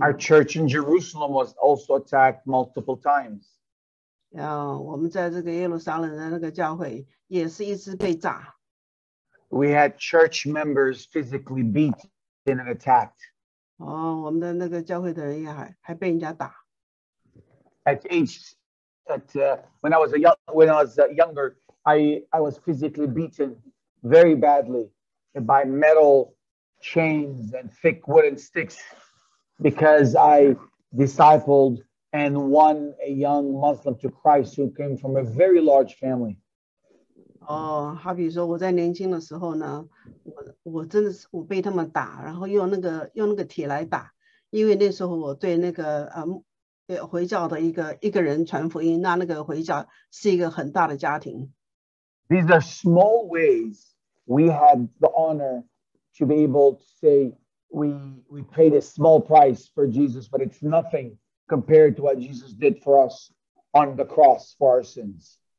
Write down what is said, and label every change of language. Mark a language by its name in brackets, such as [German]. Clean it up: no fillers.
[English] Our church in Jerusalem was also attacked multiple times. We had church members physically beaten and attacked. [Chinese] Oh, 我们的那个教会的人也还被人家打。 [English] When I was younger, I was physically beaten very badly by metal chains and thick wooden sticks because I discipled and won a young Muslim to Christ who came from a very large family. [Chinese] Oh, 好比说我在年轻的时候呢，我真的是我被他们打，然后用那个铁来打，因为那时候我对那个 回教的一个人传福音，那个回教是一个很大的家庭。 [English] These are small ways we had the honor to be able to say we paid a small price for Jesus, but it's nothing compared to what Jesus did for us on the cross for our sins.